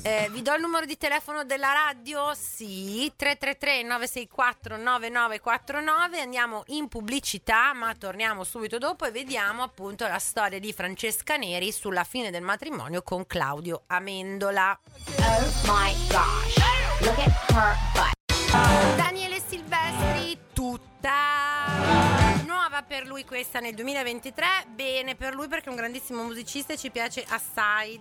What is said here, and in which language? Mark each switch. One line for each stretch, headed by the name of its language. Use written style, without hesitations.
Italian: Vi do il numero di telefono della radio? Sì, 333-964-9949. Andiamo in pubblicità, ma torniamo subito dopo e vediamo appunto la storia di Francesca Neri sulla fine del matrimonio con Claudio Amendola.
English: Oh my gosh, look at her butt.
Italian: Daniele Silvestri, tutta... per lui questa nel 2023, bene per lui perché è un grandissimo musicista e ci piace assai.